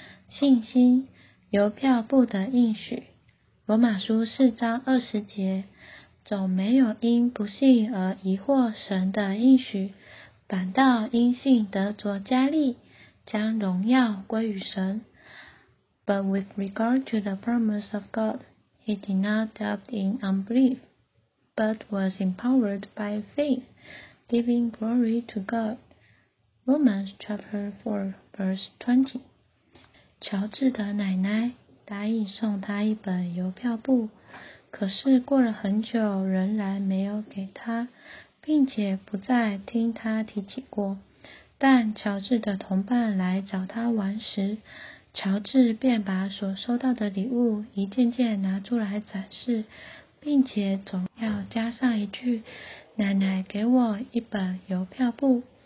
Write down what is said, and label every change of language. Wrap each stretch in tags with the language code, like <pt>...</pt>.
<zh>信心，邮票不得应许。罗马书四章二十节，总没有因不信而疑惑神的应许，反倒因信得着加力，将荣耀归于神。</zh> <en>But with regard to the promise of God, he did not doubt in unbelief, but was empowered by faith, giving glory to God. Romans chapter 4, verse 20.</en> <zh>乔治的奶奶答应送他一本邮票簿，可是过了很久仍然没有给他，并且不再听他提起过。但乔治的同伴来找他玩时，乔治便把所收到的礼物一件件拿出来展示，并且总要加上一句，奶奶给我一本邮票簿。</zh>